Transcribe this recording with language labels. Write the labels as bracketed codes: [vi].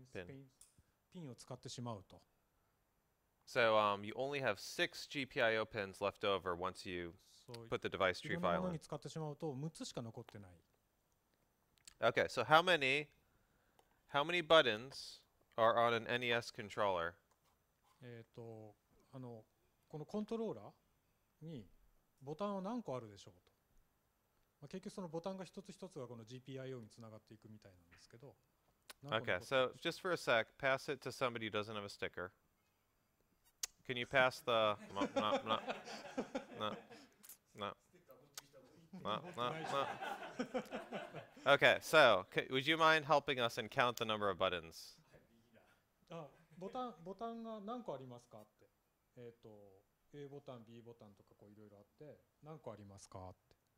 [ja] ピンを使ってしまうと。 [en] So you only have 6 GPIO pins left over once you put the device tree file in. [ja] 使ってしまうと6つしか残ってない。 [en] Okay, so how many buttons are on an NES controller? [ja] あのこのコントローラーにボタンは何個あるでしょうと。まあ、結局そのボタンが一つ一つがこの GPIO につながっていくみたいなんですけど。 [en] Okay, so just for a sec, pass it to somebody who doesn't have a sticker. Can you pass the... No, no, no. No. No. No, no, no. Okay, so would you mind helping us and count the number of buttons? [ja] ボタンが何個ありますかって。A ボタン、B ボタンとかこういろいろあって、何個ありますかって。